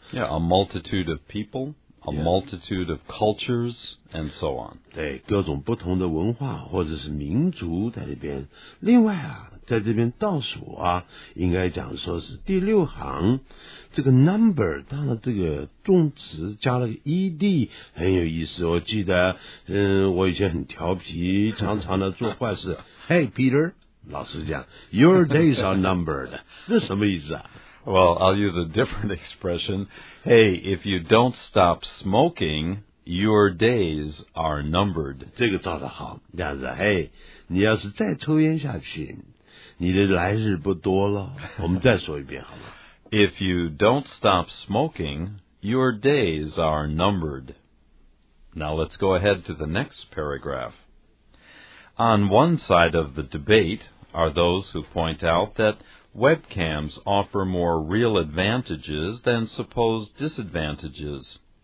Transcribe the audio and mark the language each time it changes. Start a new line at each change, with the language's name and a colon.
English: Yeah, a multitude of people, a multitude of cultures, and so on.
Chinese: 对，各种不同的文化或者是民族在里边。另外啊，在这边倒数啊，应该讲说是第六行这个 number， 当然这个动词加了个 ed 很有意思。我记得我以前很调皮，常常的做坏事。 Hey Peter， 老师讲
English: your days are numbered，
Chinese: 这什么意思啊？
English: Well, I'll use a different expression. Hey, if you don't stop smoking, your days are numbered.
Chinese: 这个造得好，这样子。 Hey, 你要是再抽烟下去，你的来日不多了。我们再说一遍好吗？
English: If you don't stop smoking, your days are numbered. Now let's go ahead to the next paragraph. On one side of the debate are those who point out that webcams offer more real advantages than supposed disadvantages.